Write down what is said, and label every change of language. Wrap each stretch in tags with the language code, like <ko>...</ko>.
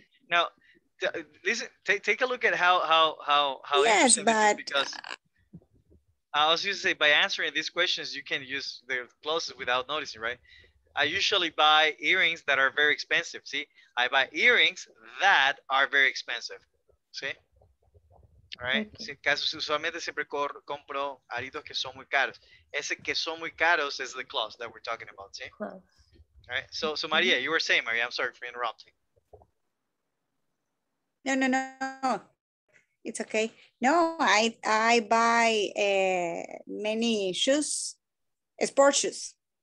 <en>Now, listen. Take a look at how yes, interesting but... this is, because I was going to say, by answering these questions, you can use the clothes without noticing, right? I usually buy earrings that are very expensive. See, I buy earrings that are very expensive. See. Right.</en> <es>Okay. Si, caso, usualmente siempre compro aritos que son muy caros. Ese que son muy caros</es> <en>is the clothes that we're talking about. See? All right. So Maria, you were saying, Maria, I'm sorry for interrupting. No. It's okay. No, I buy many shoes, sports shoes.</en>